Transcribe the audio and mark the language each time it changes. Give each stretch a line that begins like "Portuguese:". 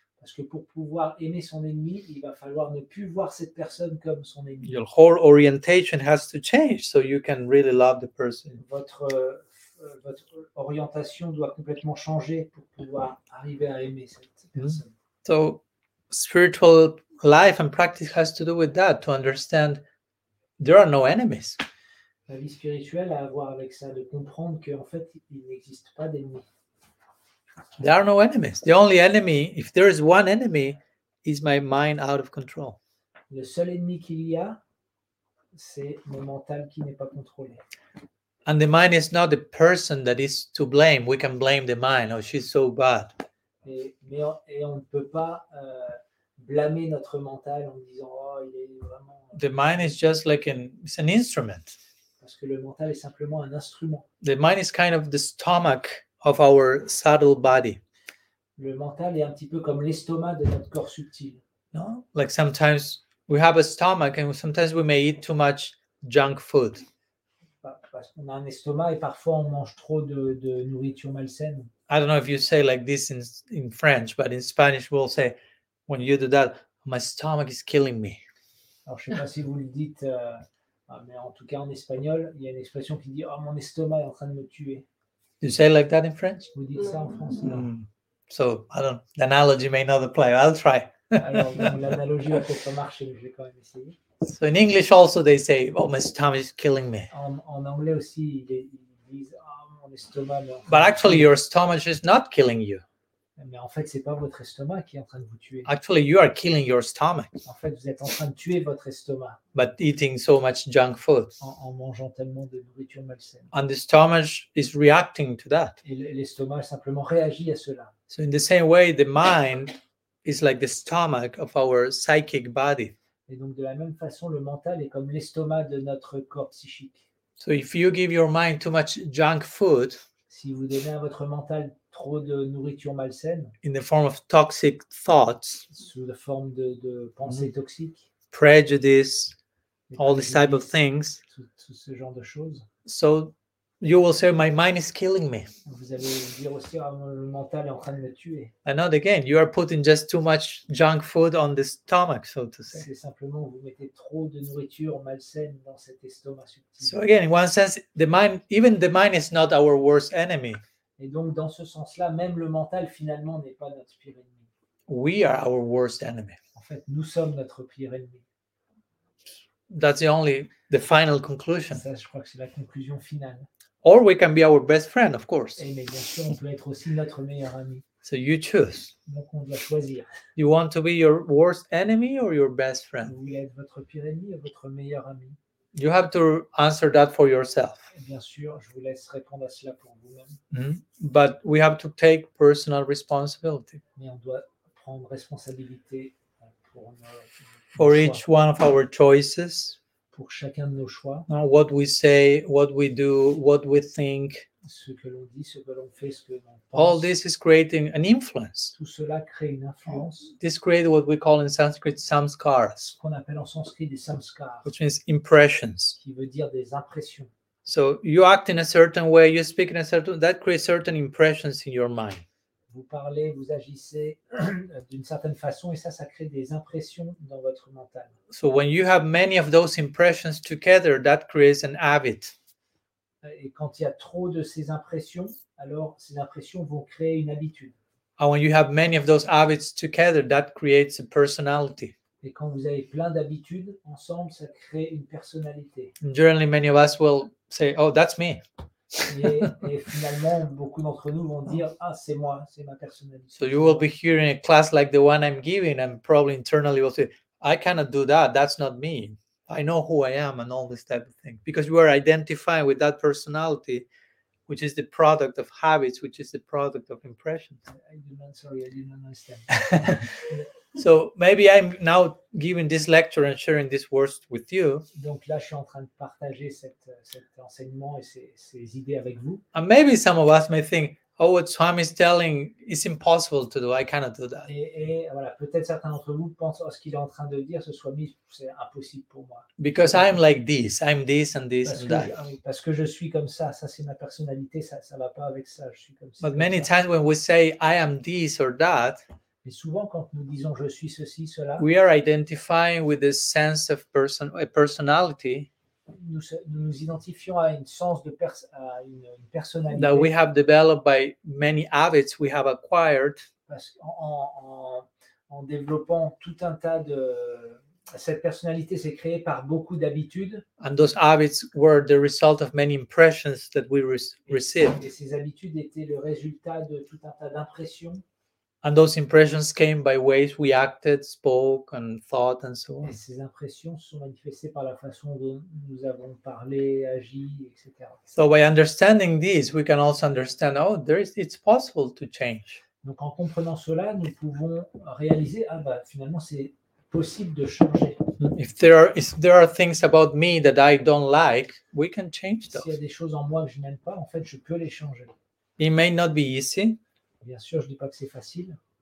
French: Parce que pour pouvoir aimer son ennemi, il va falloir ne plus voir cette personne comme son ennemi.
English: Your whole orientation has to change so you can really love the person.
French: Votre orientation doit complètement changer pour pouvoir arriver à aimer cette personne.
English: So, spiritual life and practice has to do with that, to understand there are no enemies.
French: La vie spirituelle a à voir avec ça, de comprendre qu'en fait, il n'existe pas d'ennemis.
English: There are no enemies. The only enemy, if there is one enemy, is my mind out of control.
French: Le seul ennemi qu'il y a, c'est mon mental qui n'est pas contrôlé.
English: And the mind is not the person that is to blame. We can blame the mind. Oh, she's so bad.
French: Et on ne peut pas blâmer notre mental en disant oh, il est vraiment.
English: The mind is just like an instrument.
French: Parce que le mental est simplement un instrument.
English: The mind is kind of the stomach of our subtle body.
French: Le mental est un petit peu comme l'estomac de notre corps subtil.
English: No, like sometimes we have a stomach and sometimes we may eat too much junk food.
French: Parce qu'on a un estomac et parfois on mange trop de nourriture malsaine.
English: I don't know if you say like this in French, but in Spanish we'll say. When you do that, my stomach is killing me.
French: Alors, je ne sais pas si vous le dites, mais en tout cas en espagnol, il y a une expression qui dit « Oh, mon estomac est en train de me tuer. »
English: You say it like that in French?
French: Vous dites ça en français? Mm.
English: So, I don't. The analogy may not apply. I'll try.
French: Alors, l'analogie va peut-être marcher, mais je vais quand même essayer.
English: So, in English also, they say « Oh, my stomach is killing me. »
French: En anglais aussi, ils disent « Oh, mon estomac est en train de me tuer.
English: » But actually, your stomach is not killing you.
French: Mais en fait, c'est pas votre estomac qui est en train de vous tuer.
English: Actually, you are killing your stomach.
French: En fait, vous êtes en train de tuer votre estomac.
English: But eating so much junk food.
French: En mangeant tellement de nourriture malsaine.
English: And the stomach is reacting to that.
French: Et l'estomac simplement réagit à cela.
English: So in the same way, the mind is like the stomach of our psychic body.
French: Et donc de la même façon, le mental est comme l'estomac de notre corps psychique.
English: So if you give your mind too much junk food,
French: si vous donnez à votre mental trop de nourriture malsaine,
English: in the form of toxic thoughts,
French: sous la forme de pensées toxiques,
English: prejudice, all these type of things,
French: tout ce genre de choses,
English: so you will say my mind is killing me.
French: Vous allez dire aussi, le mental est en train de me tuer.
English: And not again, you are putting just too much junk food on the stomach, so to say.
French: C'est simplement vous mettez trop de nourriture malsaine dans cet estomac subtil.
English: So again, in one sense, the mind is not our worst enemy.
French: Et donc dans ce sens-là, même le mental finalement n'est pas notre pire ennemi.
English: We are our worst enemy.
French: En fait, nous sommes notre pire ennemi.
English: That's the final conclusion.
French: Ça, je crois que c'est la conclusion finale.
English: Or we can be our best friend, of course.
French: Et mais bien sûr, on peut être aussi notre meilleur ami.
English: So you choose.
French: Donc on doit choisir.
English: You want to be your worst enemy or your best friend?
French: Vous voulez être votre pire ennemi ou votre meilleur ami?
English: You have to answer that for yourself.
French: Et bien sûr, je vous laisse répondre à cela pour vous-même.
English: But we have to take personal responsibility.
French: Mais on doit prendre responsabilité pour
English: for each one of our choices.
French: Pour chacun de nos choix.
English: What we say, what we do, what we think.
French: Ce que l'on dit, ce que l'on fait, ce que l'on pense.
English: All this is creating an influence.
French: Tout cela crée une influence.
English: This creates what we call in Sanskrit samskaras.
French: Ce qu'on appelle en sanskrit des samskaras.
English: Which means impressions.
French: Qui veut dire des impressions.
English: So you act in a certain way, you speak in a certain way, that creates certain impressions in your mind.
French: Vous parlez, vous agissez d'une certaine façon et ça crée des impressions dans votre mental.
English: So when you have many of those impressions together, that creates an habit.
French: Et quand il y a trop de ces impressions, alors ces impressions vont créer une habitude.
English: And when you have many of those habits together, that creates a personality.
French: Et quand vous avez plein d'habitudes ensemble, ça crée une personnalité.
English: And generally, many of us will say, oh, that's me.
French: Et finalement, beaucoup d'entre nous vont dire, ah, c'est moi, c'est ma personnalité.
English: So you will be hearing a class like the one I'm giving, and probably internally will say, I cannot do that, that's not me. I know who I am and all this type of thing. Because you are identifying with that personality, which is the product of habits, which is the product of impressions. I didn't understand. So maybe I'm now giving this lecture and sharing this words with you.
French: Donc là, je suis en train de partager cet enseignement et ces idées avec vous.
English: And maybe some of us may think, oh, what Swami is telling is impossible to do. I cannot do that.
French: Et voilà, peut-être certains d'entre vous pensent, oh, ce qu'il est en train de dire, ce Swami, c'est impossible pour moi.
English: Because I'm like this. I'm this and this and that.
French: Parce que je suis comme ça. Ça, c'est ma personnalité. Ça ne va pas avec ça. Je suis comme ça.
English: But many times when we say, I am this or that,
French: mais souvent, quand nous disons je suis ceci, cela,
English: we are identifying with a sense of a personality.
French: Nous nous identifions à une sens de une personnalité.
English: That we have developed by many habits we have acquired.
French: Parce qu'en développant tout un tas de. Cette personnalité s'est créée par beaucoup d'habitudes.
English: And those habits were the result of many impressions that we received.
French: Et ces habitudes étaient le résultat de tout un tas d'impressions.
English: And those impressions came by ways we acted, spoke, and thought, and so on.
French: Et ces impressions sont manifestées par la façon dont nous avons parlé, agi, etc.
English: So by understanding this, we can also understand, oh, it's possible to change.
French: Donc en comprenant cela, nous pouvons réaliser, ah bah, finalement, c'est possible de changer.
English: If there are things about me that I don't like, we can change those.
French: S'il y a des choses en moi que je n'aime pas, en fait, je peux les changer.
English: It may not be easy.
French: Bien sûr, je dis pas que c'est facile.